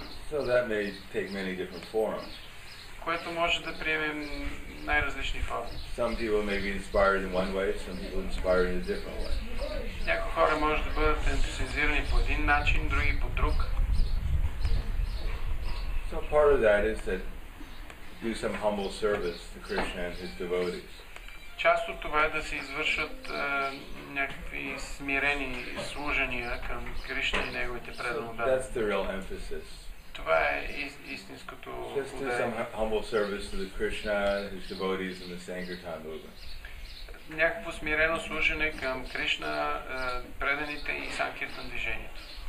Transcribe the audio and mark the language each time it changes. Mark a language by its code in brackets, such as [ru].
[en] So that may take many different forms. [bg] Което може да приеме най-различни форми. [en] Some people may be inspired in one way, some people inspired in a different way. [bg] Някои хора може да бъдат ентусиазирани по един начин, други по друг. [en] So part of that is that do some humble service to Krishna and his devotees. [bg] Част от това е да се извършат някакви смирени служения към Кришна и неговите преданода. [en] So that's the real emphasis. [bg] Това е истинското [en] Just do some humble service to the Krishna, his devotees and the Sankirtan movement. [bg] Някакво смирено служене към Кришна, преданите и Санкиртан движението.